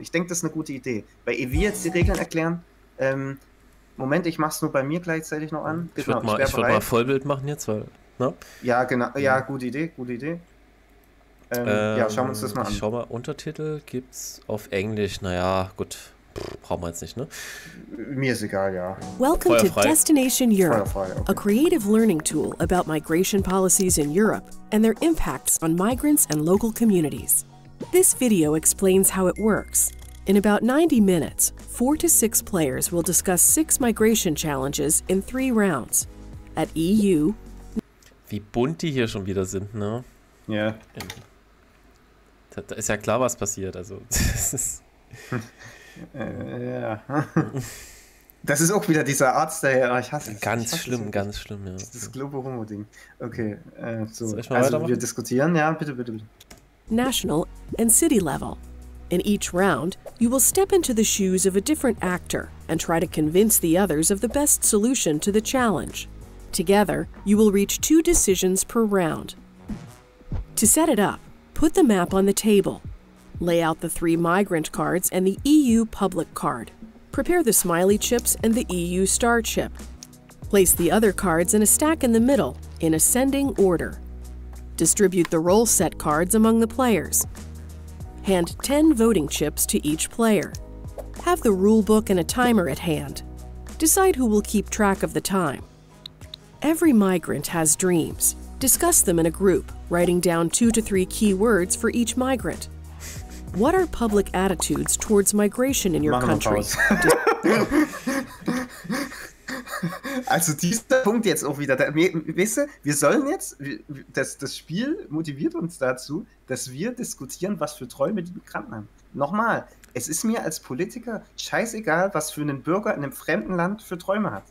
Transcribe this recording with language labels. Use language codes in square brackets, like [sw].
[de] Ich denke, das ist eine gute Idee. Weil wir jetzt die Regeln erklären. Moment, ich mach's nur bei mir gleichzeitig noch an. Genau, ich würde mal Vollbild machen jetzt, weil. Ne? Ja, genau. Ja, gute Idee. Schauen wir uns das mal an. Schau mal, Untertitel gibt's auf Englisch. Naja, gut. brauchen wir jetzt nicht, ne? Mir ist egal, ja. [en] Welcome to Destination Europe, a creative learning tool about migration policies in Europe and their impacts on migrants and local communities. This video explains how it works. In about 90 minutes, 4 to 6 players will discuss 6 migration challenges in 3 rounds. At EU. [de] Wie bunt die hier schon wieder sind, ne? Ja. Da ist ja klar, was passiert. Also, das ist. Ja. Das ist auch wieder dieser Arzt, der hier. Ich hasse es. Ganz schlimm, ganz schlimm, ja. Das Globo-Homo-Ding. Okay, so. Soll ich mal also, wir diskutieren, ja, bitte, bitte, bitte. [en] National and city level. In each round, you will step into the shoes of a different actor and try to convince the others of the best solution to the challenge. Together, you will reach 2 decisions per round. To set it up, put the map on the table. Lay out the 3 migrant cards and the EU public card. Prepare the smiley chips and the EU star chip. Place the other cards in a stack in the middle, in ascending order. Distribute the roll set cards among the players. Hand 10 voting chips to each player. Have the rule book and a timer at hand. Decide who will keep track of the time. Every migrant has dreams. Discuss them in a group, writing down 2 to 3 key words for each migrant. What are public attitudes towards migration in your country? [de] Also dieser Punkt jetzt auch wieder, weißt du, wir sollen jetzt, das Spiel motiviert uns dazu, dass wir diskutieren, was für Träume die Migranten haben. Nochmal, es ist mir als Politiker scheißegal, was für einen Bürger in einem fremden Land für Träume hat.